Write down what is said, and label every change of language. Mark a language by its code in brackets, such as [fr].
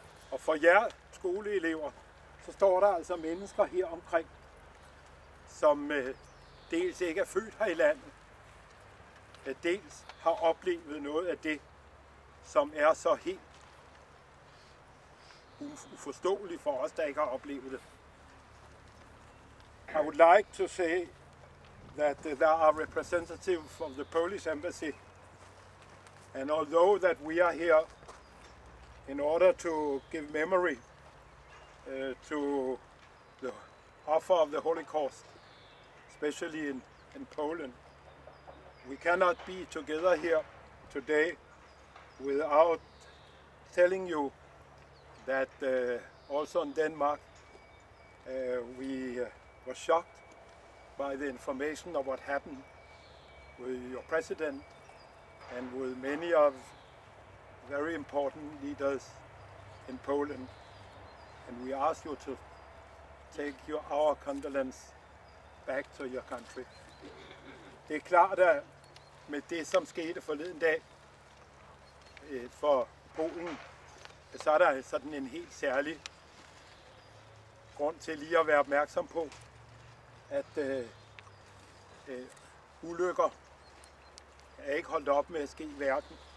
[da] Og for jer skoleelever, så står der altså mennesker her omkring, som dels ikke er født her i landet, men dels har oplevet noget af det, som er så helt uforståeligt for os, der ikke har oplevet det. [en] I would like to say that there are representatives from the Polish embassy, and although that we are here in order to give memory to the offer of the Holocaust, especially in Poland, we cannot be together here today without telling you that also in Denmark we was shocked by the information of what happened with your president and with many of very important leaders in Poland, and we ask you to take our condolence back to your country. [da] Det er klart, at med det, som skete forleden dag for Polen, så er der sådan en helt særlig grund til lige at være opmærksom på, at ulykker er ikke holdt op med at ske i verden.